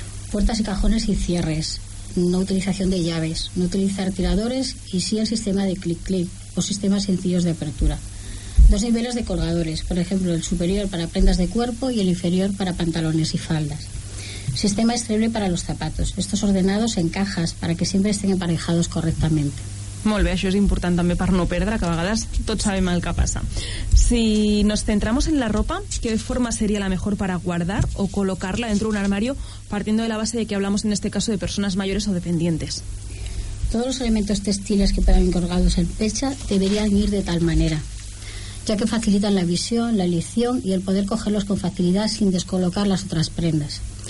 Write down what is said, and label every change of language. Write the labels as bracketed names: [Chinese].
[Spanish] Puertas y cajones y cierres. No utilización de llaves, no utilizar tiradores y sí el sistema de clic-clic o sistemas sencillos de apertura. Dos niveles de colgadores, por ejemplo, el superior para prendas de cuerpo y el inferior para pantalones y faldas. Sistema extraíble para los zapatos, estos ordenados en cajas para que siempre estén emparejados correctamente. [Catalan] Molt bé, això és important també per no perdre, que a vegades tots sabem el que passa. [Spanish] Si nos centramos en la ropa, ¿qué forma sería la mejor para guardar o colocarla dentro de un armario, partiendo de la base de que hablamos en este caso de personas mayores o dependientes? Todos los elementos textiles que puedan ir colgados en pecha deberían ir de tal manera, ya que facilitan la visión, la elección y el poder cogerlos con facilidad sin descolocar las otras prendas.